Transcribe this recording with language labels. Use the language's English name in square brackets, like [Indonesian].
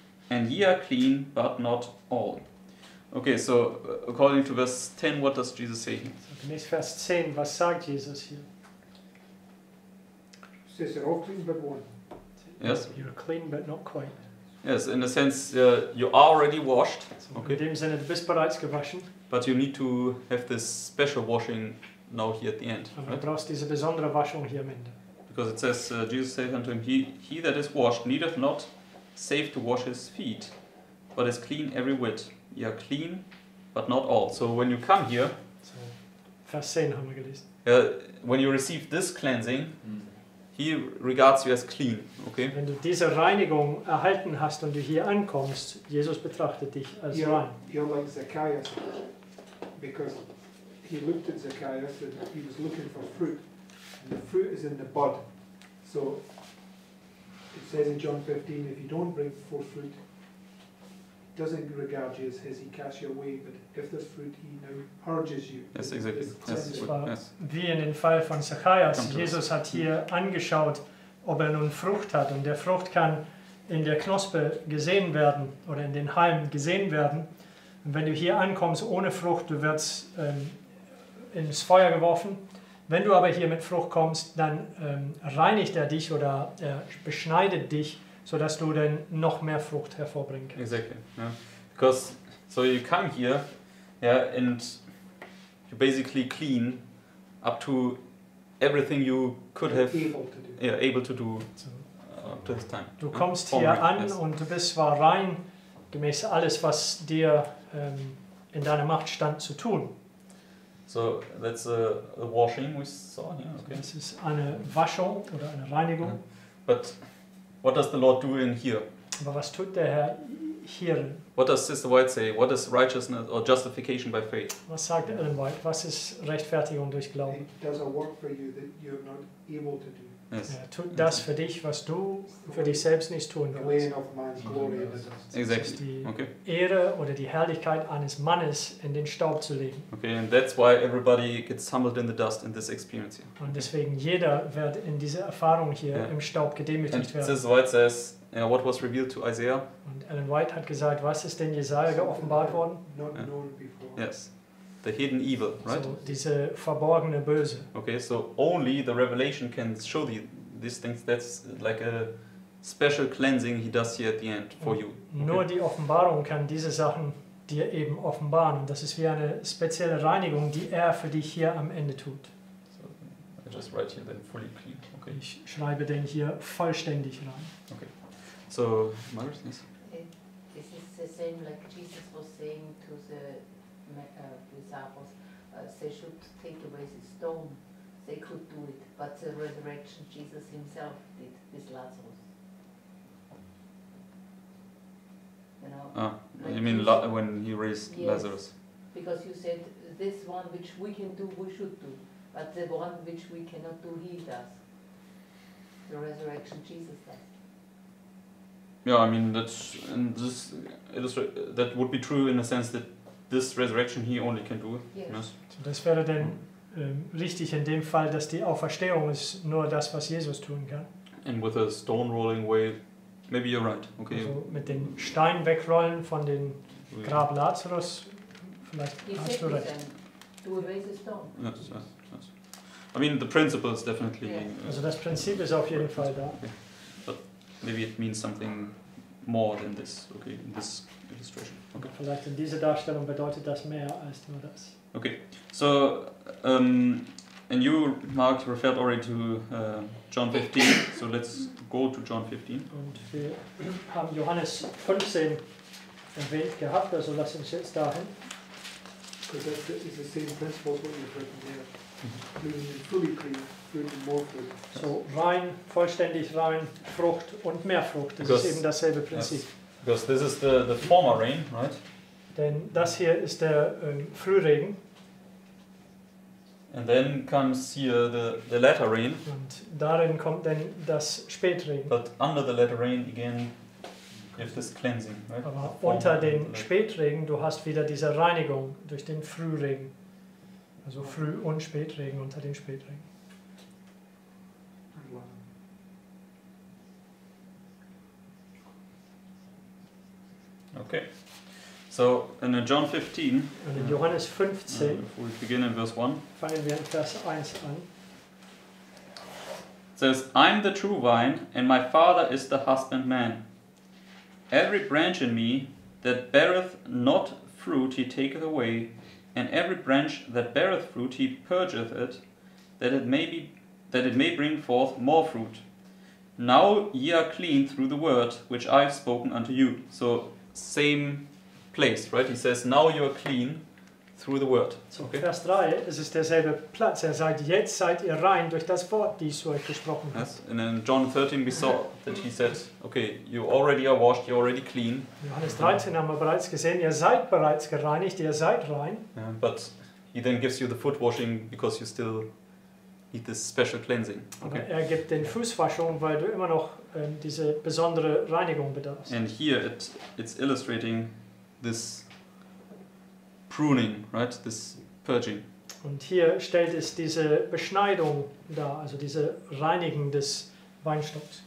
[English] And ye are clean, but not all. Okay, so according to verse 10, what does Jesus say? [German] Gemäß Vers 10, was sagt Jesus hier? [English] Says you're all clean, but one. Yes. You're clean, but not quite. Yes, in a sense, you are already washed. [German] So okay. In dem Sinne, du bist bereits gewaschen. [English] But you need to have this special washing now here at the end. Right? [German] Du brauchst diese besondere Waschung hier am Ende. [English] Because it says, Jesus saith unto him, he that is washed needeth not save to wash his feet, but is clean every whit. Ye are clean, but not all. So when you come here, [German] so, Vers 10 haben wir gelesen. [English] When you receive this cleansing, he regards you as clean. Okay? [German] Wenn du diese Reinigung erhalten hast und du hier ankommst, Jesus betrachtet dich als rein. [English] You're like Zacchaeus, because he looked at Zacchaeus and he was looking for fruit. And the fruit is in the bud. So it says in John 15, if you don't bring forth fruit, he doesn't regard you as his, he casts you away. But if there's fruit, he now urges you. Yes, exactly. Yes, [German] wie in dem Fall von Zacchaeus, Jesus hat hier angeschaut, ob er nun Frucht hat. Und der Frucht kann in der Knospe gesehen werden oder in den Halm gesehen werden. Und wenn du hier ankommst ohne Frucht, du wirst ins Feuer geworfen. Wenn du aber hier mit Frucht kommst, dann reinigt er dich oder beschneidet dich, So dass du dann noch mehr Frucht hervorbringen kannst. [English] Exactly. Yeah. Because so you come here, yeah, and you basically clean up to everything you could have able to do up to this time. [German] Du kommst hier an und du bist zwar rein gemäß alles, was dir in deiner Macht stand zu tun. [English] So that's a washing we saw. Yeah, okay. [German] Das ist eine Waschung oder eine Reinigung. Yeah. [English] But what does the Lord do in here? [German] Aber was tut der Herr hier? [English] What does Sister White say? What is righteousness or justification by faith? [German] Was sagt Ellen White? Was ist Rechtfertigung durch Glauben? [English] It does a work for you that you are not able to do. Yes. [German] Er tut das für dich, was du für dich selbst nicht tun kannst. [English] The laying of man's glory. Exactly. [German] Die Ehre oder die Herrlichkeit eines Mannes in den Staub zu legen. [English] Okay, and that's why everybody gets humbled in the dust in this experience here. [German] Und deswegen jeder wird in dieser Erfahrung hier im Staub gedemütigt [English] and [German] werden. [English] Sister White says, what was revealed to Isaiah? [German] Und Ellen White hat gesagt, was ist denn Jesaja geoffenbart worden? [English] Not known before. Yes. The hidden evil, right? [German] So, diese verborgene Böse. [English] Okay, so only the revelation can show you these things. That's like a special cleansing he does here at the end for you. Okay. [German] Nur die Offenbarung kann diese Sachen dir eben offenbaren. Und das ist wie eine spezielle Reinigung, die für dich hier am Ende tut. [English] So, I just write here then fully clean. Okay. [German] Ich schreibe den hier vollständig rein. [English] Okay. So, Margaret, please. This is the same like Jesus was saying to the disciples, they should take away the stone. They could do it, but the resurrection Jesus himself did with Lazarus. When he raised Lazarus? Because you said this one which we can do, we should do, but the one which we cannot do, he does. The resurrection Jesus does. Yeah, I mean, that would be true in the sense that this resurrection he only can do. Yes. [German] So das wäre denn richtig in dem Fall, dass die Auferstehung ist nur das, was Jesus tun kann. [English] And with a stone rolling away, maybe you're right. Okay. [German] Also mit den Stein wegrollen von den Grab Lazarus, vielleicht [English] he [German] hast du recht. [English] Then, do away the stone. Yes. I mean, the principle is definitely. Yes. [German] Also das Prinzip ist auf jeden Fall da. [English] Okay. But maybe it means something more than this. Okay. In this illustration. Okay. [German] Vielleicht in dieser Darstellung bedeutet das mehr als nur das. [English] Okay, so, and you, Mark, referred already to John 15, so let's go to John 15. [German] Und wir haben Johannes 15 erwähnt gehabt, also lass uns jetzt dahin. [English] Because that is the same principle as what you've written here. Fully clean, fully more fruit. [German] So rein, vollständig rein, Frucht und mehr Frucht, das [English] because, [German] ist eben dasselbe Prinzip. [English] Yes. Because this is the former rain, right? [German] Denn das hier ist der Frühregen. [English] And then comes here the latter rain. [German] Und darin kommt dann das Spätregen. [English] But under the latter rain again, you have this cleansing, right? [German] Aber unter dem Spätregen, du hast wieder diese Reinigung durch den Frühregen. Also Früh- und Spätregen unter dem Spätregen. [English] Okay, so in John 15, [German] and in Johannes 15, [English] if we begin in verse 1, [German] fangen wir in Vers 1 an. [English] It says, I am the true vine, and my Father is the husbandman. Every branch in me that beareth not fruit he taketh away, and every branch that beareth fruit he purgeth it, that it may bring forth more fruit. Now ye are clean through the word which I have spoken unto you. So, same place, right? He says, now you are clean through the word. [German] So, okay. Vers 3, es ist derselbe Platz. Er sagt, jetzt seid ihr rein durch das Wort, die ich zu euch gesprochen habe. [English] Yes, and in John 13 we saw that he said, okay, you already are washed, you're already clean. [German] Johannes 13 haben wir bereits gesehen, ihr seid bereits gereinigt, ihr seid rein. [English] Yeah, but he then gives you the foot washing because you still need this special cleansing. Okay. [German] Aber er gibt den Fußwaschung, weil du immer noch diese besondere Reinigung bedarfst. [English] And here it's illustrating this pruning, right? This purging. [German] Und hier stellt es diese Beschneidung dar, also diese Reinigen des Weinstocks.